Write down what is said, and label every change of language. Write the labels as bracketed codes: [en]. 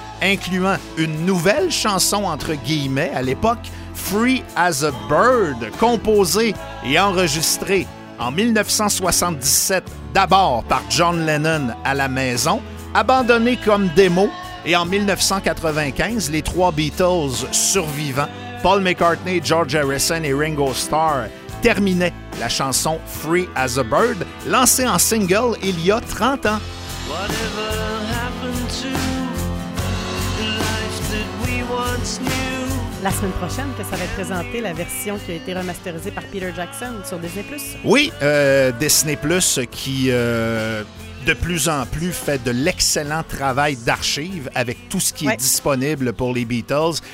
[fr] incluant une nouvelle chanson entre guillemets à l'époque, Free as a Bird, composée et enregistrée en 1977 d'abord par John Lennon à la maison, abandonnée comme démo, et en 1995, les 3 Beatles survivants, Paul McCartney, George Harrison et Ringo Starr, terminaient la chanson Free as a Bird, lancée en single il y a 30 ans. [en] Whatever happened to the life that we once knew? [fr] La semaine prochaine, que ça va être présenté, la version qui a été remasterisée par Peter Jackson sur Disney+. Oui, Disney+, qui de plus en plus fait de l'excellent travail d'archives avec tout ce qui est disponible pour les Beatles.